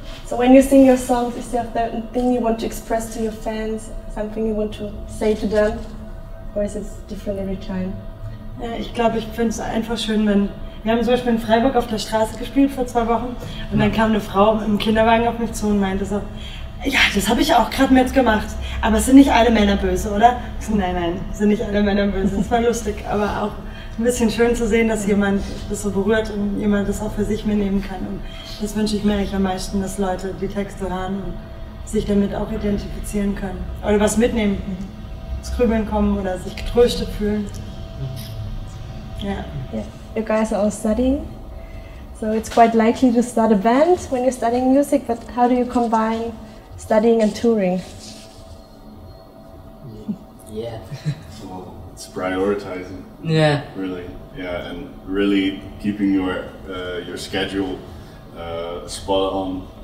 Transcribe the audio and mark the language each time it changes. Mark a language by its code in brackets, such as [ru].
[en] When you sing your songs, is there a thing you want to express to your fans, something you want to say to them, or is it different every time? [de] Ja, ich glaube, ich finde es einfach schön, wenn wir haben zum Beispiel in Freiburg auf der Straße gespielt vor 2 Wochen und dann kam eine Frau im Kinderwagen auf mich zu und meinte so, ja, das habe ich auch gerade mit gemacht, aber sind nicht alle Männer böse, oder? So, nein, nein, sind nicht alle Männer böse, das war lustig, aber auch ein bisschen schön zu sehen, dass jemand das so berührt und jemand das auch für sich mitnehmen kann. Und das wünsche ich mir eigentlich am meisten, dass Leute die Texte hören und sich damit auch identifizieren können. Oder was mitnehmen, ins Grübeln kommen oder sich getröstet fühlen. Ja. [en] Yes. you guys are all studying. So it's quite likely to start a band when you're studying music, but how do you combine studying and touring? Yeah. Well, it's prioritizing. Yeah. Really. Yeah, and really keeping your schedule spot on.